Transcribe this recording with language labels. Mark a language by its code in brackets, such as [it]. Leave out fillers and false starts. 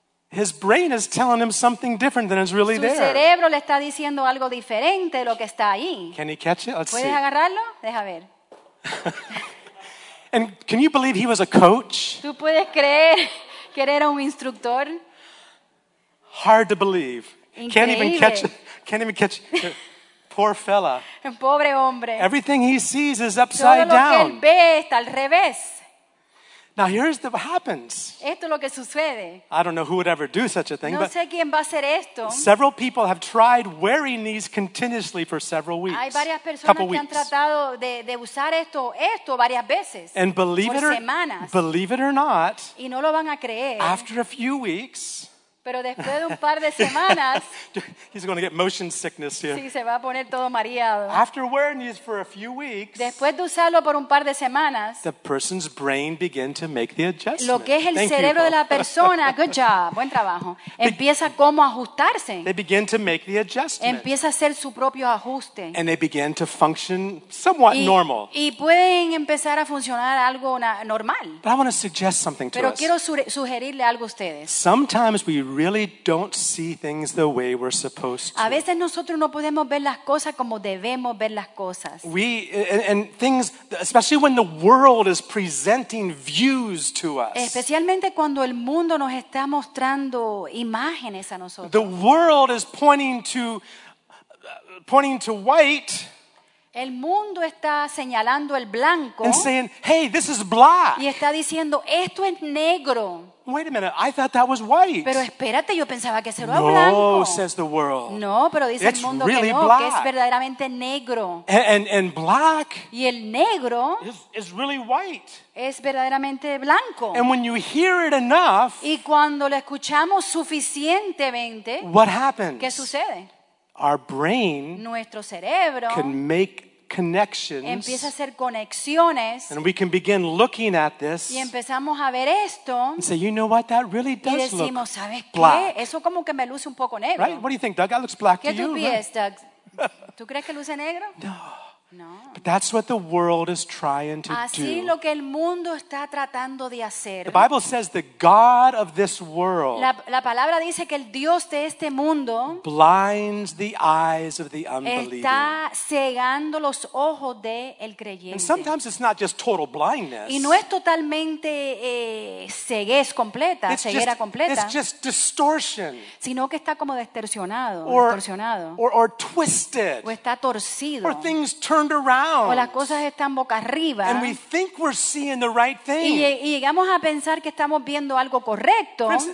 [en] His brain is telling him something different than is really there. [es] Su cerebro le está diciendo algo diferente de lo que está ahí. [en] Can he catch it? Let's [es] ¿Puedes [en] see. [es] Agarrarlo? Deja ver. [en] And can you believe he was a coach? [es] ¿Tú puedes creer que era un instructor? [en] Hard to believe. [es] Increíble. [en] Can't even catch poor fella. [es] Pobre hombre. [en] Everything he sees is upside down. [es] Todo lo que él ve está al revés. [en] Now here's what happens. [es] Esto es lo que sucede. [en] I don't know who would ever do such a thing, [es] no [en] but [es] sé quién va a hacer esto. [en] Several people have tried wearing these continuously for several weeks. [es] Hay varias personas que [en] weeks. [es] Han tratado de usar esto varias veces. [en] And believe it or not, [es] y no lo van a creer. [en] After a few weeks, [es] pero después de un par de semanas, [en] he's going to get motion sickness here. [es] Sí, se va a poner todo mareado. [en] After wearing these for a few weeks, [es] después de usarlo por un par de semanas, [en] the person's brain began to make the adjustment. [es] Lo que es el [en] Thank [es] cerebro [en] you, [es] de la persona, [en] good job, [es] buen trabajo, empieza como a ajustarse. [en] They begin to make the adjustment. [es] Empieza a hacer su propio ajuste. [en] And they begin to function somewhat normal. [es] Y pueden empezar a funcionar algo normal. [en] But I want to suggest something to [es] Pero [en] us. [es] Quiero sugerirle algo a ustedes. [en] Sometimes we really don't see things the way we're supposed to. [es] A veces nosotros no podemos ver las cosas como debemos ver las cosas. [en] We and things, especially when the world is presenting views to us. [es] Especialmente cuando el mundo nos está mostrando imágenes a nosotros. [en] The world is pointing to white. [es] El mundo está señalando el blanco. [en] And saying, "Hey, this is black." [es] Y está diciendo, "Esto es negro." [en] Wait a minute, I thought that was white. [es] Pero espérate, yo pensaba que era [en] no, [es] blanco. [en] No, says the world. [es] No, pero dice [en] It's [es] el mundo [en] really [es] que no, [en] black. [es] Que es verdaderamente negro. [en] And black [es] y el negro [en] is really white. [es] Es verdaderamente blanco. [en] And when you hear it enough, [es] y cuando lo escuchamos suficientemente, [en] what happens? [es] ¿Qué sucede? [en] Our brain [es] Nuestro cerebro [en] can make connections, [es] empieza a hacer conexiones, [en] and we can begin looking at this [es] y empezamos a ver esto, [en] and say, you know what, that really does [es] y decimos, [en] look [es] ¿sabes [en] black. [es] Qué? Eso como que me luce un poco negro. [en] Right? What do you think, Doug? That looks black [es] ¿Qué [en] to you. [es] Piensas, [en] right? [es] Doug? ¿Tú crees que luce negro? [en] No. [es] No. [en] But that's what the world is trying to [es] Así [en] do. [es] Así lo que el mundo está tratando de hacer. [en] The Bible says the God of this world. [es] La palabra dice que el Dios de este mundo [en] blinds the eyes of the unbeliever. [es] Está cegando los ojos de el creyente. [en] And sometimes it's not just total blindness. [es] Y no es totalmente ceguez completa, [en] it's [es] ceguera [en] just, [es] completa. [en] It's just distortion. [es] Sino que está como distorsionado, [en] Or twisted. [es] O está torcido. [en] Or things turned around. [es] O las cosas están boca arriba. [en] And we think we're seeing the right thing. [es] Y llegamos a pensar que estamos viendo algo correcto.